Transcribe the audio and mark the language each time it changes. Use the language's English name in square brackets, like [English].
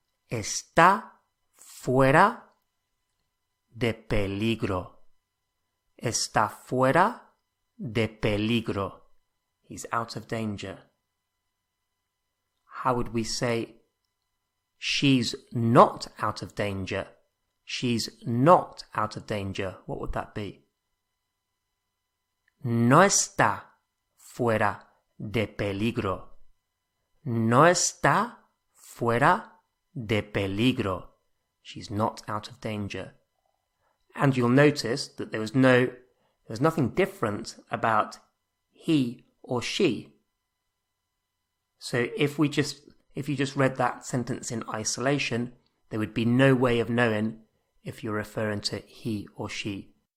[Spanish] Está fuera de peligro. Está fuera de peligro. [English] He's out of danger. How would we say, she's not out of danger? She's not out of danger. What would that be? [Spanish] No está fuera de peligro. No está fuera de peligro. [English] She's not out of danger. And you'll notice that there's nothing different about he or she. So if you just read that sentence in isolation, there would be no way of knowing if you're referring to he or she.